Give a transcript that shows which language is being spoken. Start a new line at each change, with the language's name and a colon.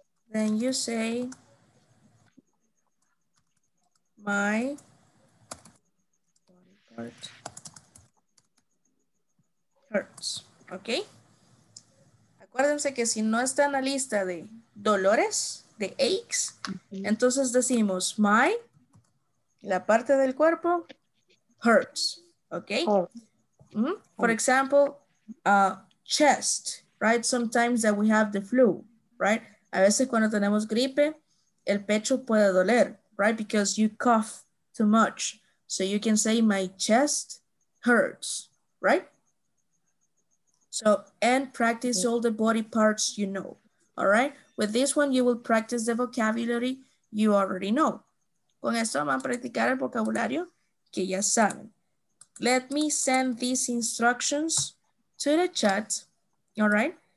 English: then you say, my body part hurts, okay?
Spanish: Acuérdense que si no está en la lista de dolores, de aches, entonces decimos, my, la parte del cuerpo, hurts, okay?
English: For example, chest, right? Sometimes that we have the flu, right?
Spanish: A veces cuando tenemos gripe, el pecho puede doler, right?
English: Because you cough too much. So you can say my chest hurts, right? So, and practice all the body parts you know, all right? With this one, you will practice the vocabulary you already know.
Spanish: Con esto van a practicar el vocabulario que ya saben.
English: Let me send these instructions to the chat, all right?